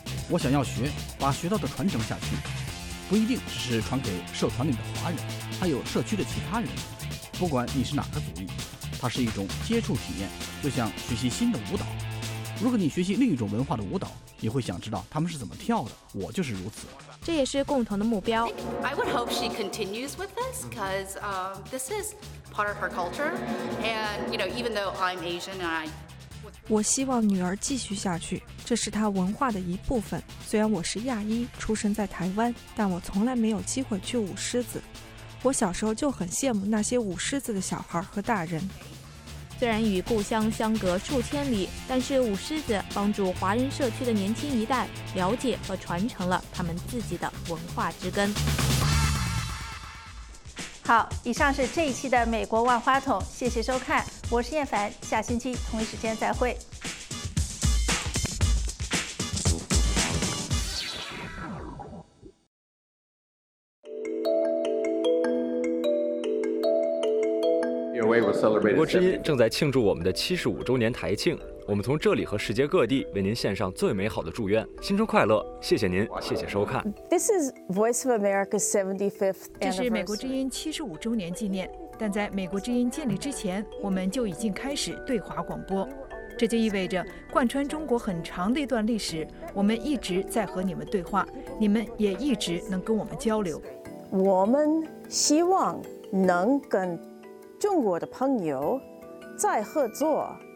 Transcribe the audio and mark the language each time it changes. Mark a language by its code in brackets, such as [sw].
[zh] 我想要学，把学到的传承下去，不一定只是传给社团里的华人，还有社区的其他人。不管你是哪个族裔，它是一种接触体验，就像学习新的舞蹈。如果你学习另一种文化的舞蹈，你会想知道他们是怎么跳的，我就是如此。这也是共同的目标。 [en] I would hope she continues with this because this is part of her culture. And, you know, even though I'm Asian and I... [zh] 我希望女儿继续下去，这是她文化的一部分。虽然我是亚裔，出生在台湾，但我从来没有机会去舞狮子。我小时候就很羡慕那些舞狮子的小孩和大人。虽然与故乡相隔数千里，但是舞狮子帮助华人社区的年轻一代了解和传承了他们自己的文化之根。好，以上是这一期的美国万花筒，谢谢收看，我是燕凡，下星期同一时间再会。国之音正在庆祝我们的75周年台庆，我们从这里和世界各地为您献上最美好的祝愿，新春快乐！谢谢您，谢谢收看。 [en] This is Voice of America 75th anniversary. [zh] 这是美国之音75周年纪念，但在美国之音建立之前，我们就已经开始对华广播。这就意味着贯穿中国很长的一段历史，我们一直在和你们对话，你们也一直能跟我们交流。我们希望能跟中国的朋友再合作。